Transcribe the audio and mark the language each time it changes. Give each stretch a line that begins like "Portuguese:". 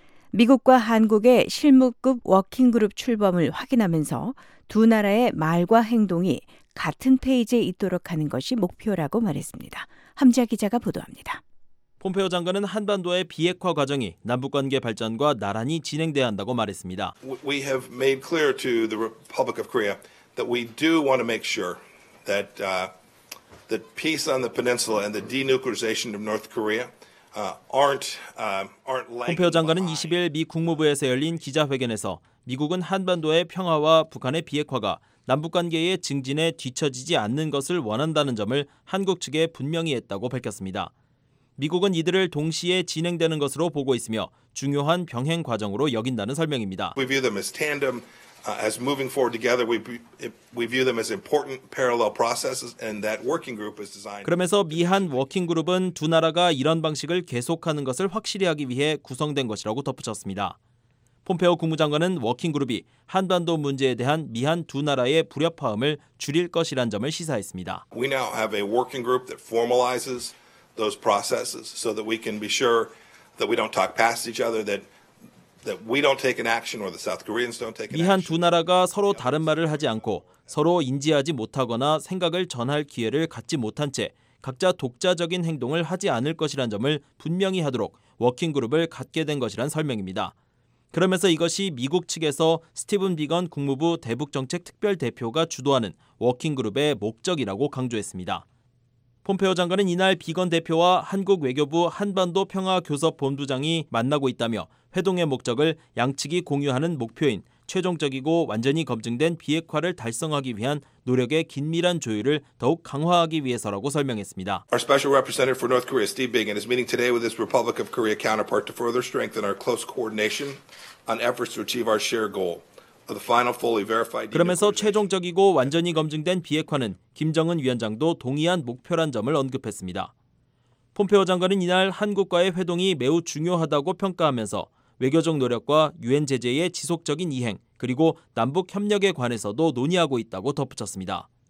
Korean: 미국과 한국의 실무급 워킹그룹 출범을 확인하면서 두 나라의 말과 행동이 같은 페이지에 있도록 하는 것이 목표라고 말했습니다. 함지아 기자가 보도합니다. 폼페오 장관은 한반도의 비핵화 과정이 남북관계 발전과 나란히 진행돼야 한다고 말했습니다.
English: We have made clear to the Republic of Korea that we do want to make sure that the peace on the peninsula and the denuclearization of North Korea
Korean: 폼페오 장관은 20일 미 국무부에서 열린 기자회견에서 미국은 한반도의 평화와 북한의 비핵화가 남북관계의 증진에 뒤처지지 않는 것을 원한다는 점을 한국 측에 분명히 했다고 밝혔습니다. 미국은 이들을 동시에 진행되는 것으로 보고 있으며 중요한 병행 과정으로 여긴다는 설명입니다.
English: We view them as tandem, as moving forward together. We view them as important parallel processes, and that working group is designed.
Korean: 그러면서 미한 워킹 그룹은 두 나라가 이런 방식을 계속하는 것을 확실히 하기 위해 구성된 것이라고 덧붙였습니다. 폼페오 국무장관은 워킹그룹이 한반도 문제에 대한 미한 두 나라의 불협화음을 줄일 것이란 점을 시사했습니다.
English: We now have a working group that formalizes those processes so that we can be sure that we don't talk past each other, that we don't take an action or the South Koreans don't take an action.
Korean: 미한 두 나라가 서로 다른 말을 하지 않고 서로 인지하지 못하거나 생각을 전할 기회를 갖지 못한 채 각자 독자적인 행동을 하지 않을 것이란 점을 분명히 하도록 워킹그룹을 갖게 된 것이란 설명입니다. 그러면서 이것이 미국 측에서 스티븐 비건 국무부 대북정책특별대표가 주도하는 워킹그룹의 목적이라고 강조했습니다. 폼페오 장관은 이날 비건 대표와 한국 외교부 한반도평화교섭본부장이 만나고 있다며 회동의 목적을 양측이 공유하는 목표인 최종적이고 완전히 검증된 비핵화를 달성하기 위한 노력의 긴밀한 조율을 더욱 강화하기 위해서라고 설명했습니다.
English: Our special representative for North Korea, Steve Biegun, is meeting today with his Republic of Korea counterpart to further strengthen our close coordination on efforts to achieve our shared goal of the final fully verified.
Korean: 그러면서 최종적이고 완전히 검증된 비핵화는 김정은 위원장도 동의한 목표란 점을 언급했습니다. 폼페오 장관은 이날 한국과의 회동이 매우 중요하다고 평가하면서 외교적 노력과 유엔 제재의 지속적인 이행 그리고 남북 협력에 관해서도 논의하고 있다고 덧붙였습니다.